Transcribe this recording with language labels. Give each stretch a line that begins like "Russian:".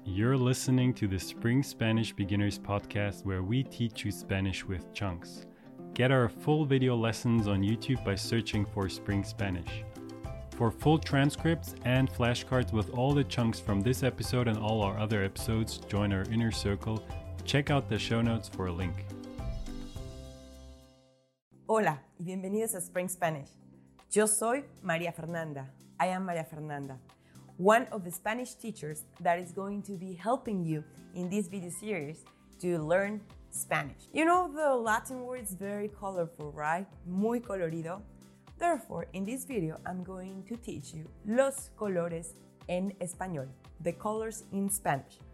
English: You're listening to the Spring Spanish Beginners podcast where we teach you Spanish with chunks. Get our full video lessons on YouTube by searching for Spring Spanish. For full transcripts and flashcards with all the chunks from this episode and all our other episodes, join our inner circle. Check out the show notes for a link.
Spanish: Hola y bienvenidos a Spring Spanish. Yo soy María Fernanda.
English: I am María Fernanda, one of the Spanish teachers that is going to be helping you in this video series to learn Spanish. You know, the Latin word is very colorful, right?
Spanish: Muy colorido.
English: Therefore, in this video, I'm going to teach you
Spanish: los colores en español,
English: the colors in Spanish.